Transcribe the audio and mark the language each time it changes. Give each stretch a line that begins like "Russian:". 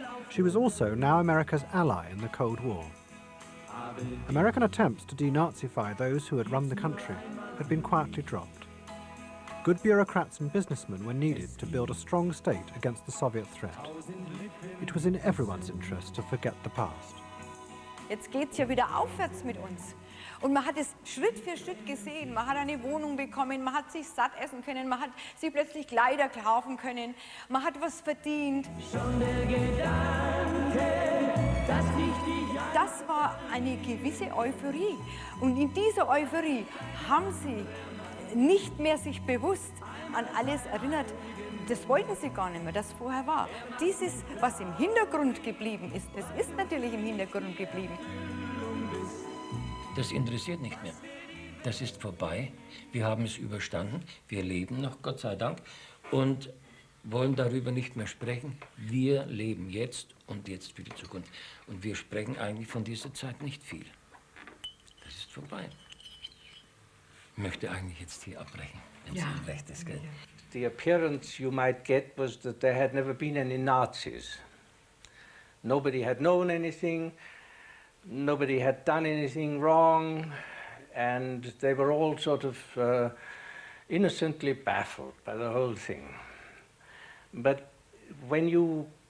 English: She was also now America's ally in the Cold War. American attempts to denazify those who had run the country had been quietly dropped. Good bureaucrats and businessmen were needed to build a strong state against the Soviet threat. It was in everyone's interest to forget the past.
German: Jetzt geht's ja wieder aufwärts mit uns. Und man hat es Schritt für Schritt gesehen. Man hat eine Wohnung bekommen, man hat sich satt essen können, man hat sich plötzlich Kleider kaufen können, man hat was verdient. Schon der Gedanke, dass ich dich. Das war eine gewisse Euphorie. Und in dieser Euphorie haben sie nicht mehr sich bewusst an alles erinnert. Das wollten sie gar nicht mehr, das vorher war. Dieses, was im Hintergrund geblieben ist, das ist natürlich im Hintergrund geblieben. Das interessiert nicht mehr. Das ist vorbei. Wir haben es überstanden. Wir leben noch, Gott sei Dank. Und wollen darüber nicht mehr sprechen. Wir leben jetzt und jetzt für die Zukunft. Und wir sprechen eigentlich von dieser Zeit nicht viel. Das ist vorbei. Ich möchte eigentlich jetzt hier abbrechen, wenn es Ihnen recht ist, gell?
English: The appearance you might get was that there had never been any Nazis. Nobody had known anything. Nobody had done anything wrong, and they were all sort of innocently baffled by the whole thing. But when you